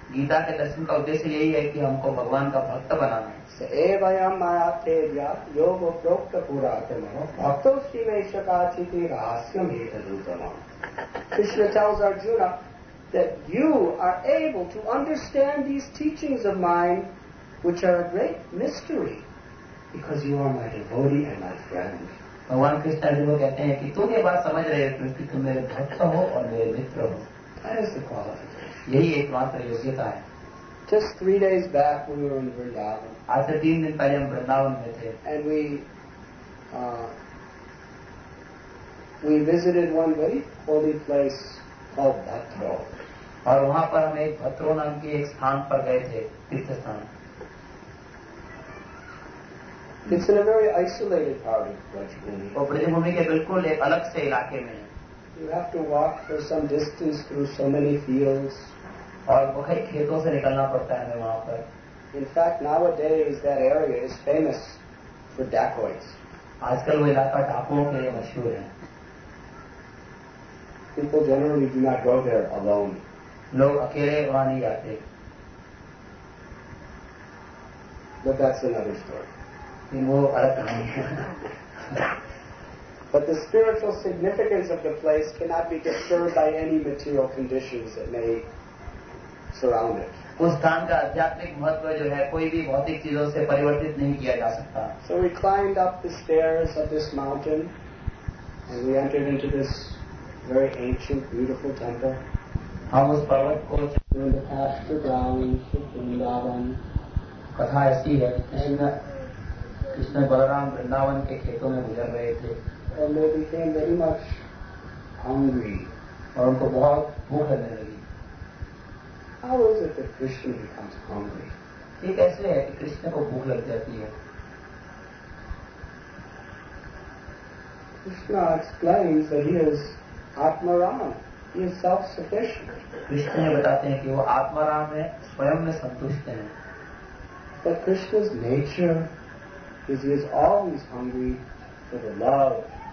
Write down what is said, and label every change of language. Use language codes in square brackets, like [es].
[hi] गीता के दर्शन का उद्देश्य यही है कि हमको भगवान का भक्त बनाना [sa] है. एवं माया तेजा योग प्रोक्त पुरातनो भक्तोऽस्ति मे शकाचिति रहस्यम् एतदुत्तमम्. [en] Krishna tells Arjuna that you are able to understand these teachings of mine, which are a great mystery, because you are my devotee and my friend. [hi] भगवान कृष्ण अर्जुन को कहते हैं कि तुम ये बात समझ रहे हो कि तुम मेरे भक्त हो और मेरे मित्र हो, यही एकमात्र योग्यता है. [en] Just 3 days back, we were in Vrindavan. [hi] आज से 3 दिन पहले हम वृंदावन में थे. [en] And we visited one very holy place called Bhatro. [hi] और वहाँ पर हम एक भत्रो नाम के एक स्थान पर गए थे, तीर्थ स्थान. [en] It's in a very isolated part of Brajbhumi. [hi] वो ब्रजभूमि के बिल्कुल एक अलग से इलाके में. [en] You have to walk for some distance through so many fields. [hi] और वो कई खेतों से निकलना पड़ता है वहाँ पर. [en] In fact, nowadays that area is famous for dacoits. [hi] आजकल वो इलाका डाकुओं के लिए मशहूर है. [en] People generally do not go there alone. [hi] लोग अकेले वहाँ नहीं जाते. [en] But that's another story. [hi] वो अलग कहानी है. [en] But the spiritual significance of the place cannot be disturbed by any material conditions that may surround it. [hi] उस स्थान का आध्यात्मिक महत्व जो है कोई भी भौतिक चीजों से परिवर्तित नहीं किया जा सकता. [en] So we climbed up the stairs of this mountain and we entered into this very ancient, beautiful temple. [hi] हम उस पर्वत को वृंदावन कथा ऐसी है कृष्ण बलराम वृंदावन के खेतों में गुजर रहे थे. [en] And they became very much hungry. [hi] और उनको बहुत भूख लगने लगी. [en] How is it that Krishna becomes hungry? [hi] ये कैसे है कि कृष्ण को भूख लग जाती है? [en] Krishna explains that he is Atmaram. He is self-sufficient. [hi] Krishna ये बताते हैं कि वो आत्माराम है, स्वयं में संतुष्ट हैं. [en] But Krishna's nature is he is always hungry for the love.